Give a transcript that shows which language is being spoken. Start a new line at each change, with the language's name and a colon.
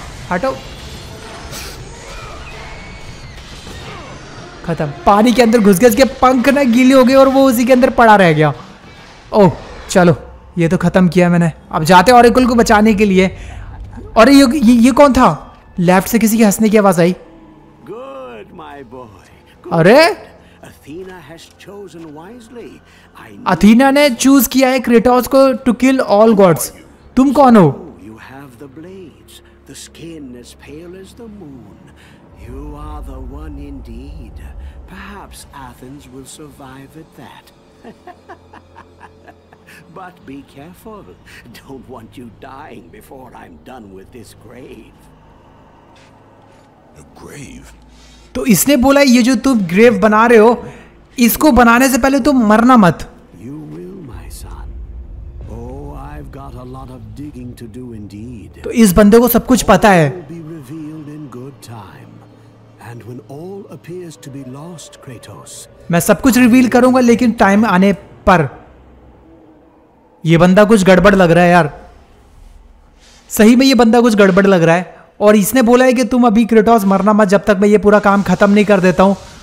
Hindi: हटो, खत्म। पानी के अंदर घुस गए, इसके पंख ना गीले हो गए और वो उसी के अंदर पड़ा रह गया। ओह चलो ये तो खत्म किया मैंने, अब जाते ओरेकल को बचाने के लिए। और ये कौन था, लेफ्ट से किसी की हंसने की आवाज आई।
English: Good, my boy.
Hindi: अरे
English: Athena has chosen wisely.
Hindi: Athena ने चूज किया है क्रेटोस को
English: To kill all gods.
Hindi: तुम कौन हो?
English: You have the blades, the skin as pale as the moon. You are the one indeed. Perhaps Athens will survive at that. But be careful. Don't want you dying before I'm done with this grave. A grave.
Hindi: तो इसने बोला ये जो तुम grave बना रहे हो, इसको बनाने से पहले तुम मरना मत।
English: You will, my son. Oh, I've got a lot of digging to do indeed.
Hindi: तो इस बंदे को सब कुछ पता है।
English: All will be revealed in good time. And when all appears to be lost, Kratos.
Hindi: मैं सब कुछ रिवील करूंगा लेकिन टाइम आने पर। ये बंदा कुछ गड़बड़ लग रहा है यार, सही में ये बंदा कुछ गड़बड़ लग रहा है। और इसने बोला है कि तुम अभी क्रेटोस मरना मत जब तक मैं ये पूरा काम ख़त्म नहीं कर देता हूँ।